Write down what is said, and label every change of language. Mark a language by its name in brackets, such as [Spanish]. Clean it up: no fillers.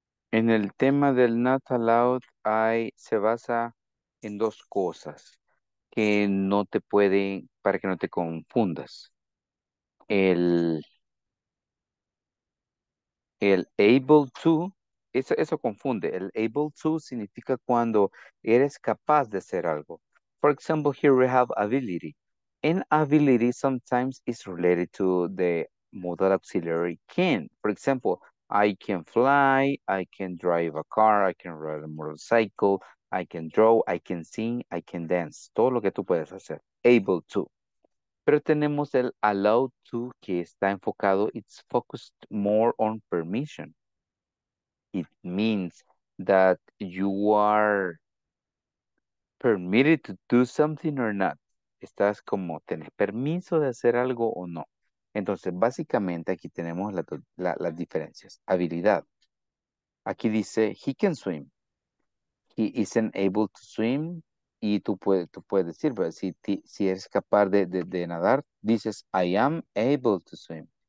[Spanish] En el tema del not allowed, se basa en dos cosas que no te pueden, para que no te confundas. El able to, eso confunde. El able to significa cuando eres capaz de hacer algo. [English] For example, here we have ability. And ability sometimes is related to the modal auxiliary can. For example, I can fly, I can drive a car, I can ride a motorcycle, I can draw, I can sing, I can dance. [Spanish] Todo lo que tú puedes hacer. Able to. Pero tenemos el allowed to que está enfocado, [English] it's focused more on permission. It means that you are permitted to do something or not. [Spanish] Estás como, ¿tenés permiso de hacer algo o no? Entonces, básicamente, aquí tenemos las diferencias. Habilidad. Aquí dice, [English] he can swim. He isn't able to swim. [Spanish] Y tú puedes decir, pero si eres capaz de nadar, dices, [English] I am able to swim.